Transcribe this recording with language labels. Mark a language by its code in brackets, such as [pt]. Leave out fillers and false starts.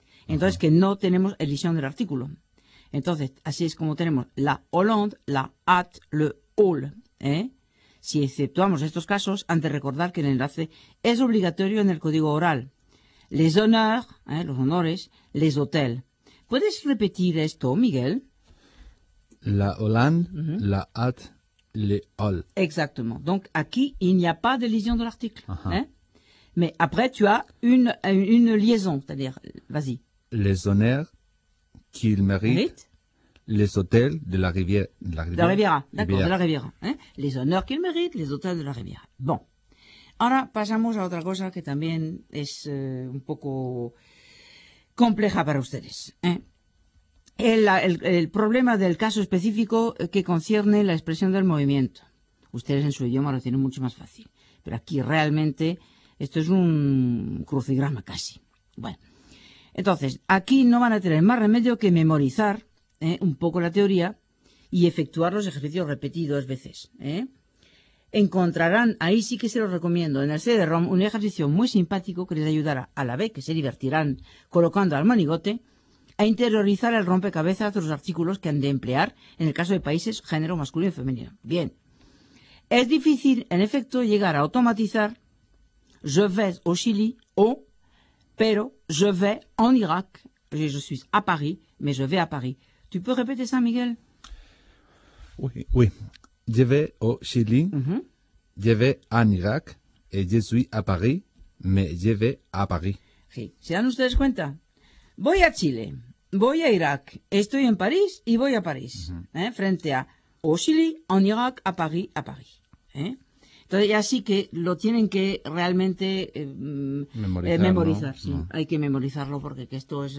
[es] Entonces, uh-huh. Que no tenemos elisión del artículo. Entonces, así es como tenemos la Hollande, la at, le all. ¿Eh? Si exceptuamos estos casos, han de recordar que el enlace es obligatorio en el código oral. [fr] Les honneurs, [es] ¿eh? Los honores, [fr] les hôtels. [es] ¿Puedes repetir esto, Miguel? [fr] La Hollande, uh-huh. La at, le all. Exactement. Donc, [es] aquí, [fr] il n'y a pas de lésion de l'article. Uh-huh. ¿Eh? Mais après, tu as une liaison, c'est-à-dire, vas-y. Les honneurs qu'il mérite. Les hôtels de la rivière. De la, rivière. La Riviera, d'accord, Riviera. De la Riviera. ¿Eh? Les honneurs qu'il mérite, les hôtels de la Riviera. Bon. [es] Ahora pasamos a otra cosa que también es un poco compleja para ustedes. ¿Eh? El problema del caso específico que concierne la expresión del movimiento. Ustedes en su idioma lo tienen mucho más fácil. Pero aquí realmente esto es un crucigrama casi. Bueno, entonces, aquí no van a tener más remedio que memorizar, ¿eh?, un poco la teoría y efectuar los ejercicios repetidos veces, ¿eh? Encontrarán, ahí sí que se los recomiendo, en el CD-ROM un ejercicio muy simpático que les ayudará a la vez que se divertirán colocando al monigote a interiorizar el rompecabezas de los artículos que han de emplear en el caso de países género masculino y femenino. Bien. Es difícil, en efecto, llegar a automatizar [fr] je vais au Chili [es] o pero [fr] je vais en Irak, je suis à Paris, mais je vais à Paris. [es] ¿Tú puedes repetir eso, Miguel? [fr] Oui, oui. Je vais au Chili, uh-huh. Je vais en Irak, et je suis à Paris, mais je vais à Paris. [es] Sí. ¿Se dan ustedes cuenta? Voy a Chile, voy a Irak, estoy en París y voy a París. Uh-huh. ¿Eh? Frente a au Chili, en Irak, a Paris, a París. ¿Eh? Entonces ya sí que lo tienen que realmente memorizar. ¿No? Sí. No. Hay que memorizarlo porque que esto es...